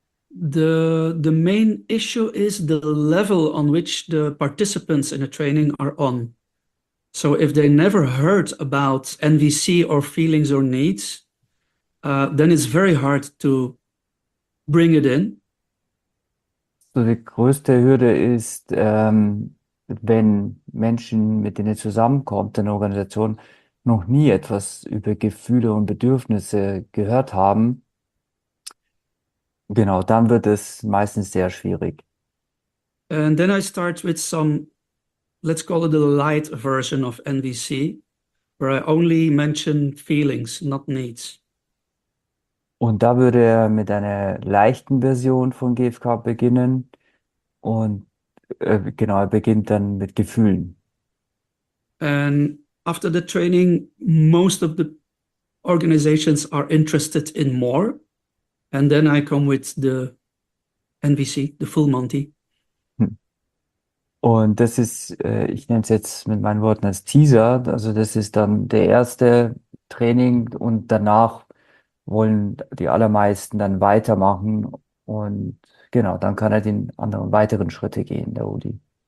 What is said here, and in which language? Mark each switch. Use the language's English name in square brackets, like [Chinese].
[English] The main issue is the level on which the participants in a training are on. So if they never heard about NVC or feelings or needs, then it's very hard to bring it in. [German] So die größte Hürde ist, wenn Menschen, mit denen zusammenkommt, in der Organisation noch nie etwas über Gefühle und Bedürfnisse gehört haben, genau, dann wird es meistens sehr schwierig. [English] And then I start with some, let's call it a light version of NVC, where I only mention feelings, not needs. [German] Und da würde er mit einer leichten Version von GFK beginnen. Und genau, er beginnt dann mit Gefühlen. [English] And after the training, most of the organizations are interested in more. And then I come with the NVC, the full Monty. [German] Und das ist, ich nenne es jetzt mit meinen Worten als Teaser, also das ist dann der erste Training und danach wollen die allermeisten dann weitermachen und genau, dann kann er den anderen weiteren Schritte gehen, der Rudi.